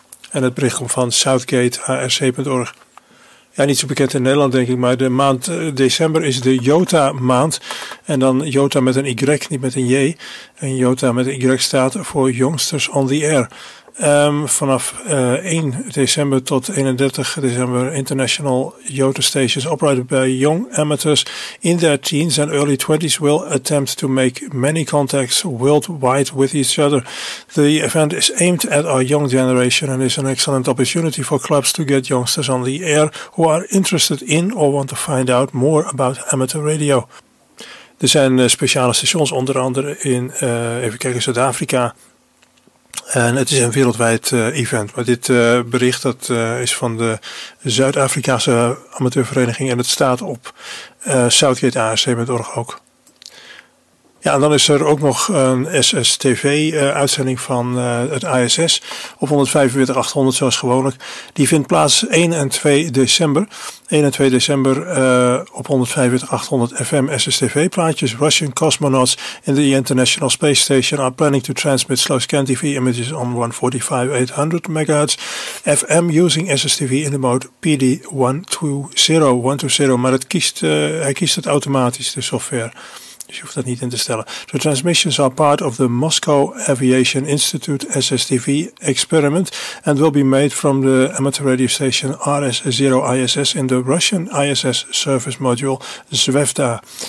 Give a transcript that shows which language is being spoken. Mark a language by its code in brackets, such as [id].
[nl] En het bericht komt van southgatearc.org. Ja, niet zo bekend in Nederland denk ik, maar de maand december is de Jota maand. En dan Jota met een Y, niet met een J. En Jota met een Y staat voor Youngsters on the Air. Vanaf 1 december tot 31 december [en] International Jota Stations operated by young amateurs in their teens and early 20s will attempt to make many contacts worldwide with each other. The event is aimed at our young generation and is an excellent opportunity for clubs to get youngsters on the air who are interested in or want to find out more about amateur radio. [nl] Er zijn speciale stations onder andere in Zuid-Afrika. En het is een wereldwijd event. Maar dit bericht dat is van de Zuid-Afrikaanse amateurvereniging. En het staat op southgatearc.org ook. Ja, en dan is er ook nog een SSTV-uitzending van het ISS. Op 145-800 zoals gewoonlijk. Die vindt plaats 1 en 2 december. 1 en 2 december op 145-800 FM SSTV-plaatjes. [en] Russian cosmonauts in the International Space Station are planning to transmit slow scan TV images on 145-800 MHz FM using SSTV in the mode PD120. [nl] Maar het kiest, hij kiest het automatisch, de software. Dus je hoeft dat niet in te stellen. [en] The transmissions are part of the Moscow Aviation Institute SSTV experiment and will be made from the amateur radio station RS0ISS in the Russian ISS service module Zvezda.